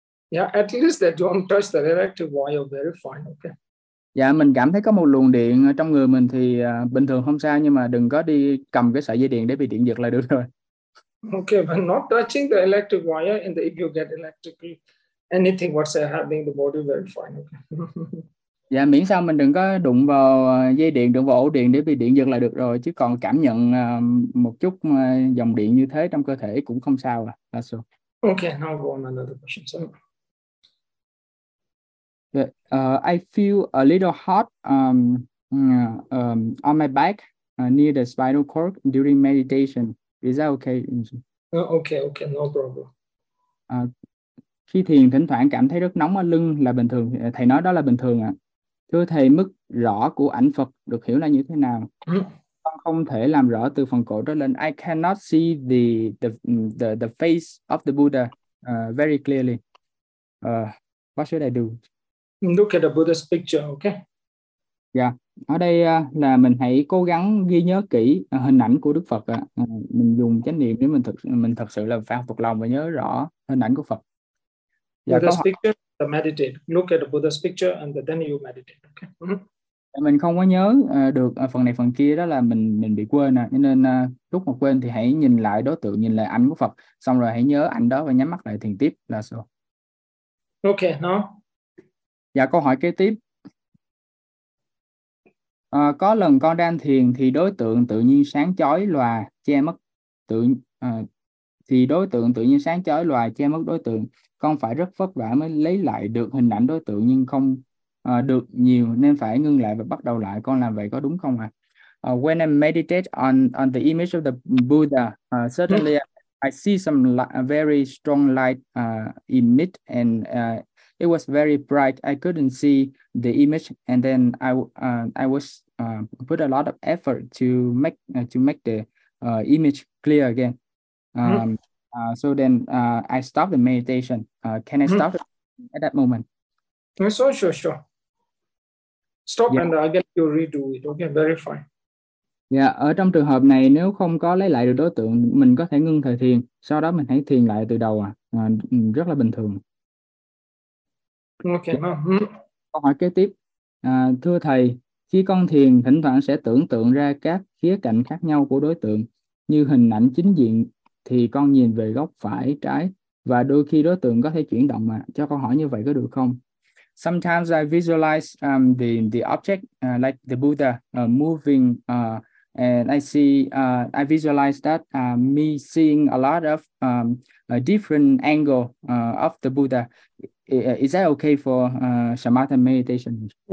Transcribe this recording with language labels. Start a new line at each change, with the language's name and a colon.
English: Yeah, at least that you don't touch the electric wire, very fine, okay.
Vietnamese: Dạ, mình cảm thấy có một luồng điện trong người mình thì bình thường không sao, nhưng mà đừng có đi cầm cái sợi dây điện để bị điện giật là được rồi.
English: Okay, but not touching the electric wire and if you get electrically anything what's happening in the body, very fine, okay.
Vietnamese: Dạ, miễn sao mình đừng có đụng vào dây điện, đụng vào ổ điện để bị điện giật là được rồi. Chứ còn cảm nhận một chút dòng điện như thế trong cơ thể cũng không sao. À. So.
English: Okay, now go on another question. So. I feel a little hot on my back near the spinal cord during meditation. Is that okay? Okay, no problem.
Vietnamese: Khi thiền thỉnh thoảng cảm thấy rất nóng ở lưng là bình thường. Thầy nói đó là bình thường ạ. À. Thưa thầy, mức rõ của ảnh Phật được hiểu là như thế nào? Con không thể làm rõ từ phần cổ trở lên.
English: I cannot see the face of the Buddha very clearly. What should I do? Look at the Buddha's picture, okay? Yeah.
Vietnamese: Ở đây là mình hãy cố gắng ghi nhớ kỹ hình ảnh của Đức Phật. Mình dùng chánh niệm để mình thật sự là phải học thuộc lòng và nhớ rõ hình ảnh của Phật.
English: Yeah, Buddha's picture. Meditate. Look at the Buddha's picture and then you meditate. Okay.
Vietnamese: Mình không có nhớ được phần này phần kia, đó là mình bị quên à. Nên lúc mà quên thì hãy nhìn lại đối tượng, nhìn lại ảnh của Phật, xong rồi hãy nhớ ảnh đó và nhắm mắt lại thiền tiếp. Là so.
English: Okay, now
Vietnamese: Dạ, câu hỏi kế tiếp. Có lần con đang thiền thì đối tượng tự nhiên sáng chói lòa che mất tự thì đối tượng tự nhiên sáng chói lòa che mất đối tượng. Con phải rất vất vả mới lấy lại được hình ảnh đối tượng nhưng không được nhiều nên phải ngưng lại và bắt đầu lại. Con làm vậy có đúng không ạ?
English: When I meditate on the image of the Buddha, suddenly I see some very strong light emit and it was very bright. I couldn't see the image, and then I was put a lot of effort to make the image clear again. So then I stopped the meditation. Can I stop it at that moment? Sure. Stop Yeah. and I'll get you redo it. Okay, very fine.
Vietnamese: Yeah, ở trong trường hợp này nếu không có lấy lại được đối tượng, mình có thể ngưng thời thiền, sau đó mình hãy thiền lại từ đầu rất là bình thường.
English: Okay, no.
Vietnamese: Câu hỏi kế tiếp. Thưa thầy, khi con thiền thỉnh thoảng sẽ tưởng tượng ra các khía cạnh khác nhau của đối tượng, như hình ảnh chính diện thì con nhìn về góc phải trái và đôi khi đối tượng có thể chuyển động mà. Cho con hỏi như vậy có được không?
English: Sometimes I visualize the object like the Buddha moving and I visualize that me seeing a lot of different angle of the Buddha. Is that okay for Samatha meditation?